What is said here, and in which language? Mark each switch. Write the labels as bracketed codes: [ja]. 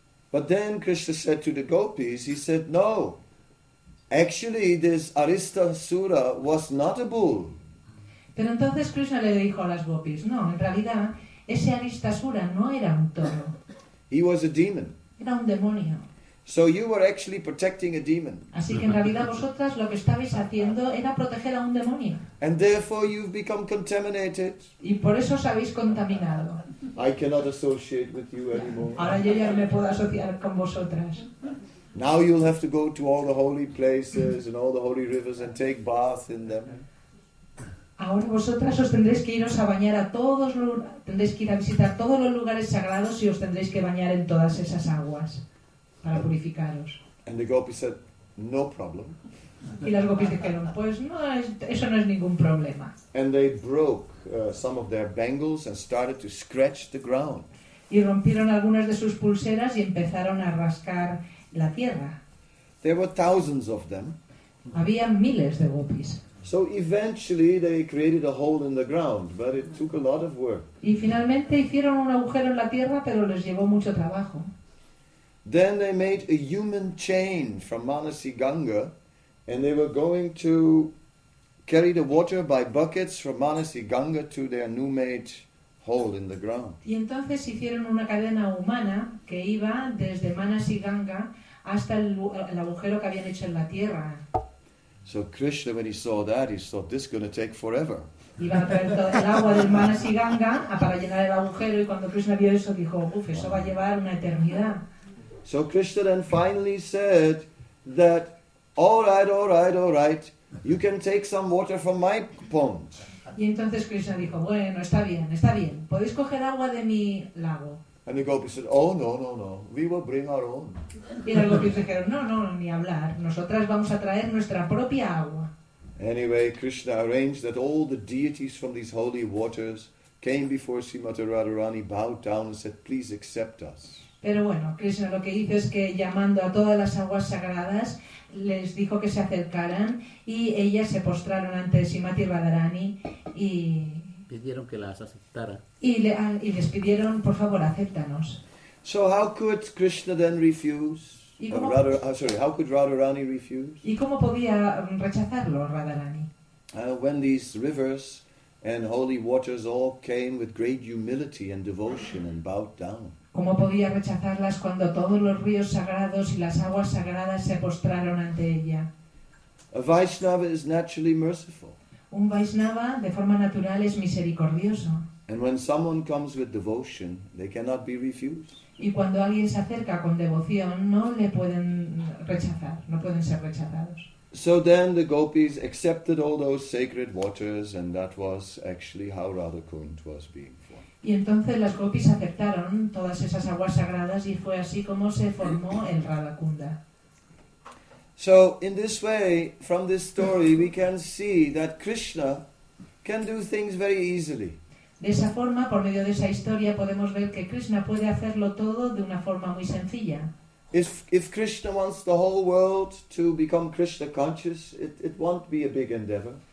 [en] But then Krishna said to the gopis, he said, no, actually this Aristasura was not a bull. [es] Pero entonces Krishna le dijo a las gopis, no, en realidad Ese Aristasura no era un toro. [en] He was a demon. [es] Era un demonio. [en] So you were actually protecting a demon. [es] Así que en realidad vosotras lo que estabais haciendo era proteger a un demonio. [en] And therefore you've become contaminated. [es] Y por eso os habéis contaminado. [en] I cannot associate with you anymore. [es] Ahora yo ya no me puedo asociar con vosotras. [en] Now you'll have to go to all the holy places and all the holy rivers and take bath in them. [es] Ahora vosotras os tendréis que iros a bañar a todos los, tendréis que ir a visitar todos los lugares sagrados y os tendréis que bañar en todas esas aguas para purificaros. [en] And the gopis said, no problem. [es] Y las gopis dijeron, pues no, eso no es ningún problema. [en] And they broke some of their bangles and started to scratch the ground. [es] Y rompieron algunas de sus pulseras y empezaron a rascar la tierra. [en] There were thousands of them. [es] Había miles de gopis. [en] So eventually they created a hole in the ground, but it took a lot of work. [es] Y finalmente hicieron un agujero en la tierra, pero les llevó mucho trabajo. [en] Then they made a human chain from Manasi Ganga, and they were going to carry the water by buckets from Manasi Ganga to their new made hole in the ground. [es] Y entonces hicieron una cadena humana que iba desde Manasi Ganga hasta el agujero que habían hecho en la tierra. [en] So Krishna, when he saw that, he thought, this is going to take forever. [es] Iba a traer todo el agua del Manasi Ganga para llenar el agujero, y cuando Krishna vio eso, dijo, uf, eso va a llevar una eternidad. [en] So Krishna then finally said that, all right, you can take some water from my pond. [es] Y entonces Krishna dijo, bueno, está bien, podéis coger agua de mi lago. [en] And the gopis said, oh, no, we will bring our own. [es] Y las gopis dijeron, no, ni hablar, nosotras vamos a traer nuestra propia agua. [en] Anyway, Krishna arranged that all the deities from these holy waters came before Srimati Radharani, bowed down and said, please accept us. [es] Pero bueno, Krishna lo que hizo es que llamando a todas las aguas sagradas, les dijo que se acercaran y ellas se postraron ante Srimati Radharani y pidieron que las aceptara. Y les pidieron, por favor, acéptanos. [en] So how could Krishna then refuse? How could Radharani refuse? [es] ¿Y cómo podía rechazarlo Radharani? [en] When these rivers and holy waters all came with great humility and devotion and bowed down. [es] ¿Cómo podía rechazarlas cuando todos los ríos sagrados y las aguas sagradas se postraron ante ella? [en] A Vaishnava is naturally merciful. [es] Un Vaishnava, de forma natural, es misericordioso. [en] And when someone comes with devotion, they cannot be refused. [es] Y cuando alguien se acerca con devoción, no le pueden rechazar, no pueden ser rechazados. [en] So then the gopis accepted all those sacred waters, and that was actually how Radhakund was being formed. [es] Y entonces las gopis aceptaron todas esas aguas sagradas, y fue así como se formó el Radhakunda. [en] So, in this way, from this story, we can see that Krishna can do things very easily. [es] De esa forma, por medio de esa historia, podemos ver que Krishna puede hacerlo todo de una forma muy sencilla. [en] If Krishna wants the whole world to become Krishna conscious, it won't be a big endeavor.